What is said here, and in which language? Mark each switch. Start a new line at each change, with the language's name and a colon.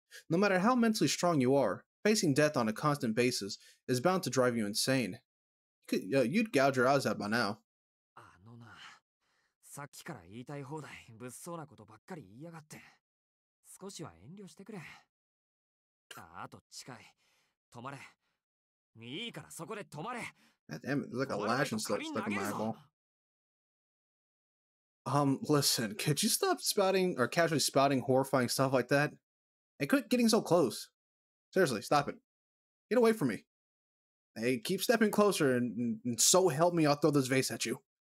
English: No matter how mentally strong you are, facing death on a constant basis is bound to drive you insane. You'd gouge your eyes out by now.
Japanese: あのな、さっきから言いたい放題、物騒なことばっかり言いやがって。少しは遠慮してくれ。あ、あと近い。止まれ。いいからそこで止まれ。
English: Damn, there's like a lash and stuff stuck in my eyeball. Listen, could you stop spouting or casually spouting horrifying stuff like that? And quit getting so close. Seriously, stop it. Get away from me. Hey, keep stepping closer and so help me, I'll throw this vase at you.